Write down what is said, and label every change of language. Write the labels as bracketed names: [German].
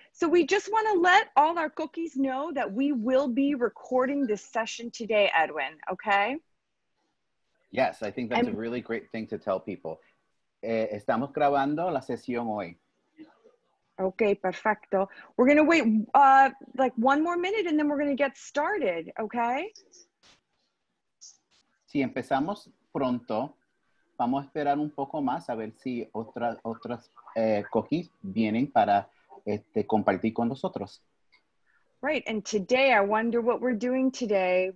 [English] So we just want to let all our Coquís know that we will be recording this session today, Edwin, okay? Yes, I think that's a really great thing to tell people. [Spanish] Estamos grabando la sesión hoy. Okay, perfecto. [English] We're going to wait like one more minute and then we're going to get started, okay? [Spanish] Si empezamos pronto, vamos a esperar un poco más a ver si otras Coquís vienen para compartir con nosotros. [English] Right, and today I wonder what we're doing today.